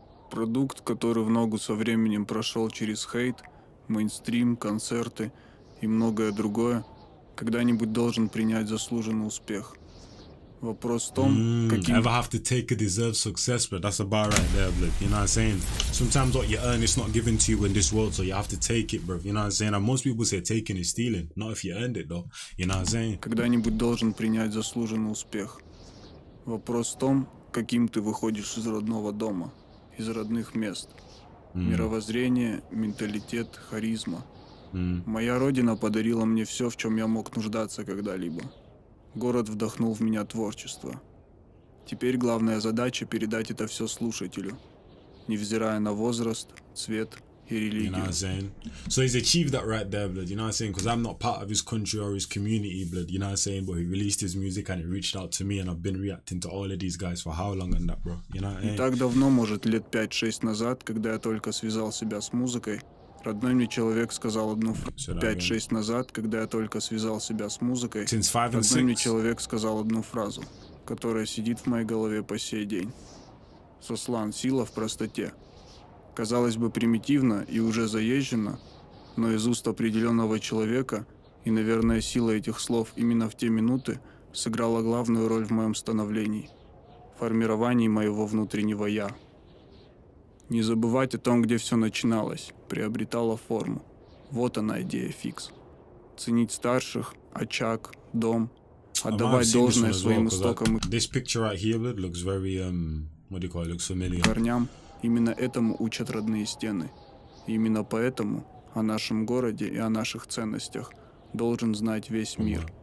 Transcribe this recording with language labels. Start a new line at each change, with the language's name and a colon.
Russian: Продукт, который в ногу со временем прошел через хейт, мейнстрим, концерты и многое другое, когда-нибудь должен принять заслуженный успех. Вопрос в том, каким...
English: Ever have to take a deserved success, but that's a bar right there, bro. You know what I'm saying? Sometimes what you earn is not given to you in this world, so you have to take it, bro. You know what I'm saying? And most people say taking is stealing. Not if you earned it, though. You know what I'm saying?
Russian: Когда-нибудь должен принять заслуженный успех. Вопрос в том, каким ты выходишь из родного дома, из родных мест. Мировоззрение, менталитет, харизма. Моя родина подарила мне все, в чем я мог нуждаться когда-либо. Город вдохнул в меня творчество. Теперь главная задача — передать это все слушателю, невзирая на возраст, цвет и религию.
English: You know what I'm saying? So he's achieved that right there, blood. You know what I'm saying? Because I'm not part of his country or his community, blood. You know what I'm saying? But he released his music and it reached out to me, and I've been reacting to all of these guys for how long and that, bro? You know what I mean?
Russian: Не так давно, может, лет 5-6 назад, когда я только связал себя с музыкой, родной мне человек сказал одну фразу. 5-6 назад, когда я только связал себя с музыкой, родной мне человек сказал одну фразу, которая сидит в моей голове по сей день. Сослан, сила в простоте. Казалось бы, примитивно и уже заезжено, но из уст определенного человека, и, наверное, сила этих слов именно в те минуты сыграла главную роль в моем становлении, формировании моего внутреннего «я». Не забывать о том, где все начиналось, приобретало форму. Вот она идея фикс. Ценить старших, очаг, дом, отдавать должное своим истокам.
English: This picture right here, blood, looks very, what do you call it, looks familiar.
Russian: Корням. Именно этому учат родные стены. И именно поэтому о нашем городе и о наших ценностях должен знать весь мир.